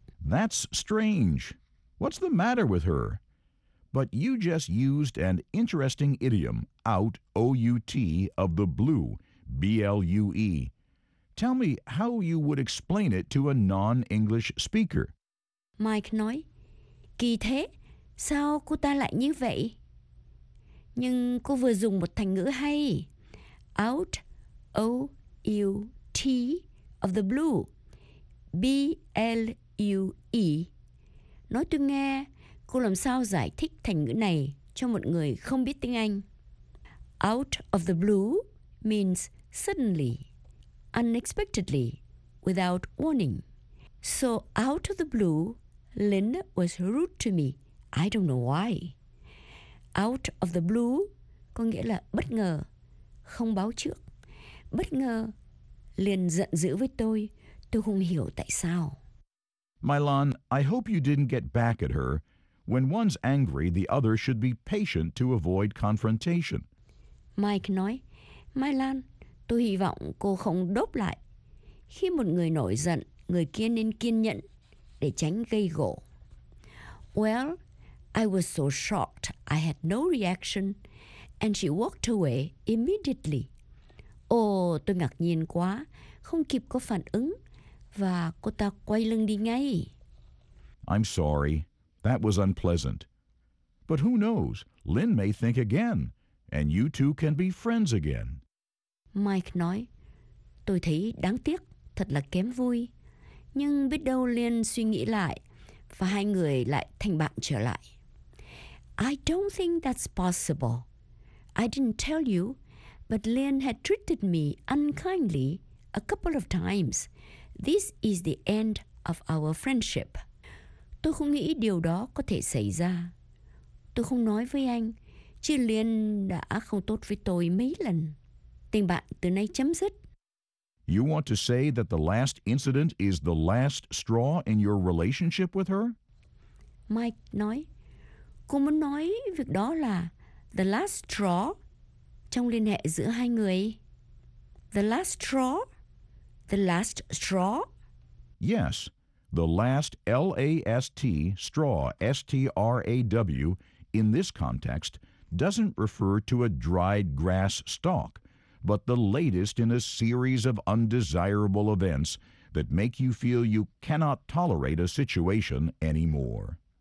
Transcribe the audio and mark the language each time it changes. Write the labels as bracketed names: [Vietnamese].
[English] That's strange. What's the matter with her? But you just used an interesting idiom, out, O-U-T, of the blue, B-L-U-E. Tell me how you would explain it to a non-English speaker. [Vietnamese] Mike nói, kỳ thế, sao cô ta lại như vậy? Nhưng cô vừa dùng một thành ngữ hay. [English] Out, O-U-T, of the blue, B-L-U-E. [Vietnamese] U-E. Nói tôi nghe, cô làm sao giải thích thành ngữ này cho một người không biết tiếng Anh? [English] Out of the blue means suddenly, unexpectedly, without warning. So out of the blue, Linda was rude to me. I don't know why. Out of the blue [Vietnamese] có nghĩa là bất ngờ, không báo trước. Bất ngờ, liền giận dữ với tôi không hiểu tại sao. [English] Mylon, I hope you didn't get back at her. When one's angry, the other should be patient to avoid confrontation. [Vietnamese] Mike nói, Mylon, tôi hy vọng cô không đốp lại. Khi một người nổi giận, người kia nên kiên nhẫn để tránh gây gổ. [English] Well, I was so shocked I had no reaction, and she walked away immediately. [Vietnamese] Oh, tôi ngạc nhiên quá, không kịp có phản ứng, và cô ta quay lưng đi ngay. [English] I'm sorry, that was unpleasant. But who knows, Lynn may think again, and you two can be friends again. [Vietnamese] Mike nói, tôi thấy đáng tiếc, thật là kém vui. Nhưng biết đâu Lynn suy nghĩ lại, và hai người lại thành bạn trở lại. [English] I don't think that's possible. I didn't tell you, but Lynn had treated me unkindly a couple of times. This is the end of our friendship. [Vietnamese] Tôi không nghĩ điều đó có thể xảy ra. Tôi không nói với anh, chứ Lynn đã không tốt với tôi mấy lần. Tình bạn từ nay chấm dứt. [English] You want to say that the last incident is the last straw in your relationship with her? [Vietnamese] Mike nói, cô muốn nói việc đó là [English] the last straw [Vietnamese] trong liên hệ giữa hai người. [English] The last straw? The last straw? Yes, the last L-A-S-T straw, S-T-R-A-W, in this context, doesn't refer to a dried grass stalk, but the latest in a series of undesirable events that make you feel you cannot tolerate a situation anymore.